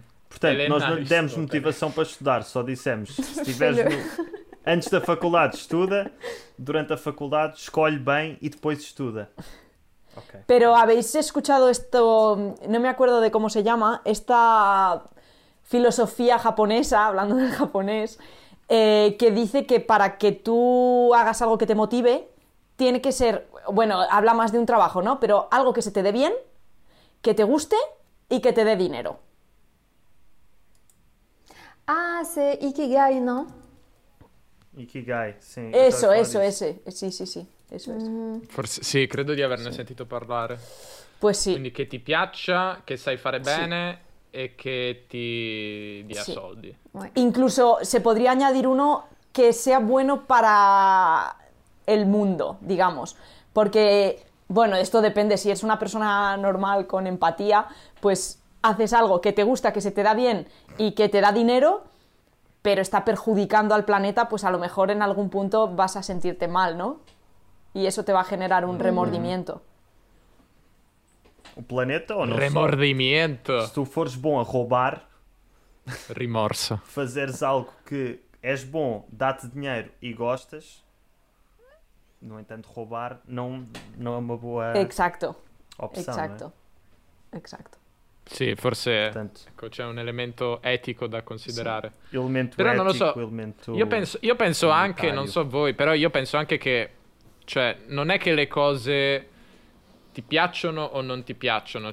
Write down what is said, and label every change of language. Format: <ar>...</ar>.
<pt>Portanto, nós não demos motivação para estudar, só dissemos: se tiveres no, Antes da faculdade estuda, durante a faculdade escolhe bem e depois estuda.</pt> <en>Okay.</en> <es>Pero habéis escuchado esto, no me acuerdo de cómo se llama, esta filosofía japonesa, hablando del japonés, que dice que para que tú hagas algo que te motive, tiene que ser, bueno, habla más de un trabajo, ¿no? Pero algo que se te dé bien, que te guste y que te dé dinero. Ah, sí, Ikigai, ¿no? Ikigai, sí. Eso, eso, ese. Sí, sí, sí. Eso, eso.</es> <it>Forse, sì, credo di averne sentito parlare. Pues sì. Quindi che ti piaccia, che sai fare bene e che ti dia soldi.</it> <es>Incluso se podría añadir uno che sia bueno para el mundo, digamos. Porque, bueno, esto depende. Si eres una persona normal con empatía, pues haces algo que te gusta, que se te da bien y que te da dinero, pero está perjudicando al planeta, pues a lo mejor en algún punto vas a sentirte mal, ¿no? Y eso te va a generar un remordimiento. ¿Un planeta o no? Remordimiento.</es> <pt>Si tú fores bom a roubar... Remorso. Fazeres algo que es bom, dá-te dinheiro y gostas... No entanto,</pt> <es>roubar no es una buena opción. Exacto. Exacto. Exacto.</es> <it>Sì, forse ecco, c'è un elemento etico da considerare. Sì, elemento però etico, non lo so, elemento... Io penso anche, non so voi, però io penso anche che... Cioè, non è che le cose ti piacciono o non ti piacciono.</it>